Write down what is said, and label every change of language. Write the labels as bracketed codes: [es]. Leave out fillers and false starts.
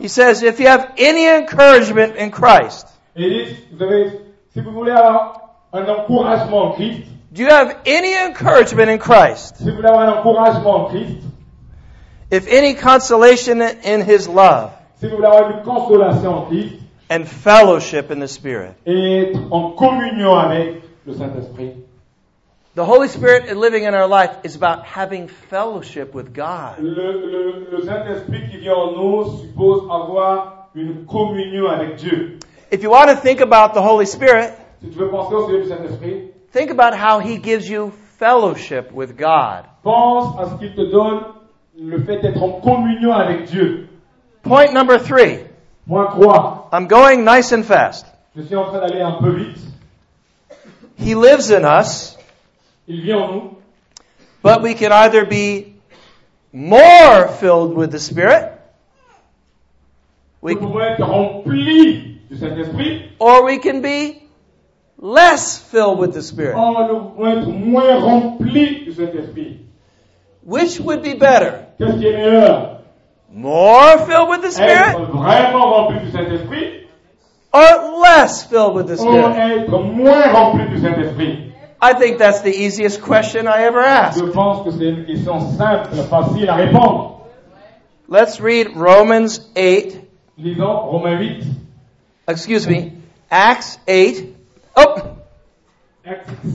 [en] he says, if you have any encouragement in Christ, [fr] il dit, vous avez, si vous voulez avoir un encouragement en Christ, [en] do you have any encouragement in Christ? [fr] Si vous avez un encouragement en Christ, [en] if any consolation in his love, [fr] si vous avez une consolation en Christ, [en] and fellowship in the Spirit, [fr] et en communion avec le Saint-Esprit. [en] The Holy Spirit living in our life is about having fellowship with God. [fr] Le Saint-Esprit qui vient en nous suppose avoir une communion avec Dieu. [en] If you want to think about the Holy Spirit, [fr] si tu veux penser au Saint-Esprit, [en] Think about how he gives you fellowship with God. [fr] Pense à ce qu'il te donne le fait d'être en communion avec Dieu. [en] Point number three. [fr] Point trois. [en] I'm going nice and fast. [fr] Je suis en train d'aller un peu vite. [en] He lives in us. [fr] Il vit en nous. [en] But we can either be more filled with the Spirit. [fr] We pouvons être rempli du Saint-Esprit. [en] Or we can be less filled with the Spirit. [fr] Or nous pouvons être moins rempli du Saint-Esprit. [en] Which would be better? [fr] Qu'est-ce qui est meilleur? [en] More filled with the Spirit? [fr] Être vraiment rempli du Saint-Esprit? [en] Or less filled with the Spirit? [fr] Ou être moins rempli du Saint-Esprit? [en] I think that's the easiest question I ever asked. [fr] Je pense que c'est une question simple, facile à répondre. [en] Let's read Romans 8. [fr] Lisons Romains 8. [en] Excuse me. Acts 8. Oh! Acts.